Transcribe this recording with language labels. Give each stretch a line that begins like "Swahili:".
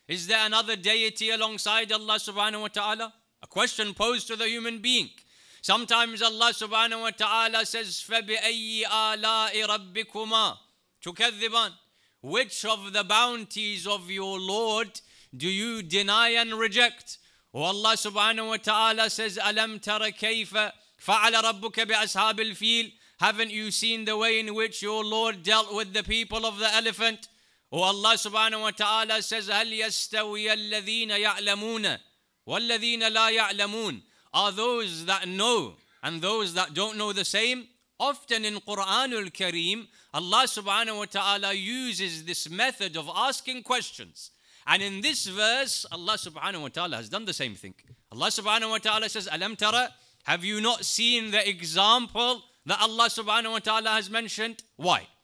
English: Is there another deity alongside Allah subhanahu wa ta'ala? A question posed to the human being. Sometimes Allah subhanahu wa ta'ala says,
Arabic: فَبِأَيِّ آلَاءِ رَبِّكُمَا تُكَذِّبَانِ.
English: Which of the bounties of your Lord do you deny and reject? Oh, Allah subhanahu wa ta'ala says,
Arabic: أَلَمْ تَرَ كَيْفَ فَعَلَ رَبُّكَ بِأَصْحَابِ الْفِيلِ.
English: Haven't you seen the way in which your Lord dealt with the people of the elephant? Oh, Allah subhanahu wa ta'ala says,
Arabic: هَلْ يَسْتَوِيَ الَّذِينَ يَعْلَمُونَ وَالَّذِينَ لَا يَعْلَمُونَ.
English: Are those that know and those that don't know the same? Often in Quran al-Kareem, Allah subhanahu wa ta'ala uses this method of asking questions. And in this verse, Allah subhanahu wa ta'ala has done the same thing. Allah subhanahu wa ta'ala says,
Arabic: Alam tara,
English: have you not seen the example that Allah subhanahu wa ta'ala has mentioned? Why?